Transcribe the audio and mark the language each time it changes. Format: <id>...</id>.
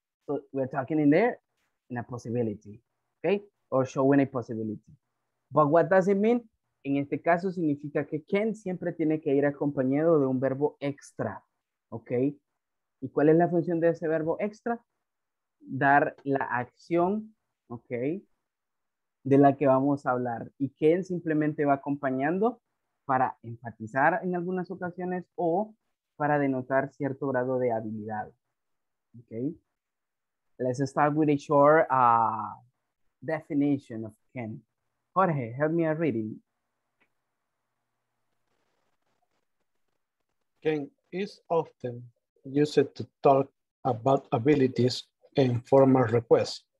<en>So we're talking in there in a possibility, okay? Or showing a possibility. But what does it mean?</en> <es>En este caso significa que can siempre tiene que ir acompañado de un verbo extra, okay? ¿Y cuál es la función de ese verbo extra? Dar la acción, ok, de la que vamos a hablar. Y can simplemente va acompañando para enfatizar en algunas ocasiones o para denotar cierto grado de habilidad. Ok.</es> <en>Let's start with a short definition of can. Jorge, help me a reading. Can is often used to talk about abilities and formal requests.</en>